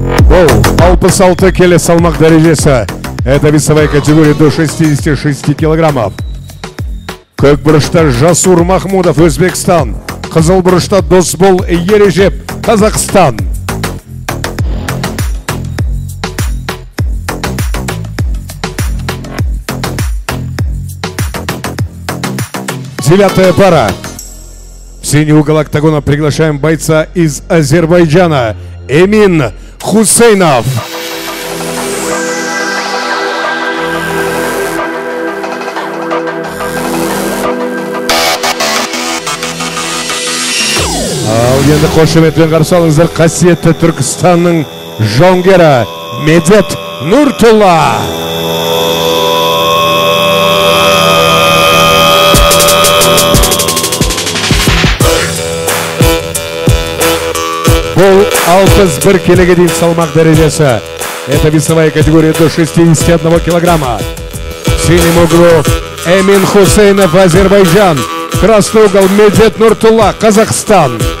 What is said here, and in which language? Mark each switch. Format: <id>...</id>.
<kk>Бұл 66 келі салмақ дәрежесі.</kk> <ru>Это весовая категория до 66 килограммов.</ru> <kk>Көк бұрышта Жасур Махмудов, Өзбекстан. Қызыл бұрышта Досбол Ережеп, Қазақстан.</kk> <ru>Девятая пара. В синий угол октагона приглашаем бойца из Азербайджана. Эмин Хусейнов.</ru> <kk>Енді қошеметпен қарсы алыңыздар қасиетті Түркістанның жауынгері Медет Нұртұлла. Бұл 61 келіге дейін салмақ дәрежесі.</kk> <ru>Это весовая категория до 61 килограмма. Синим углом Эмин Хусейнов, Азербайджан. Красный угол Медет Нуртулла, Казахстан.</ru>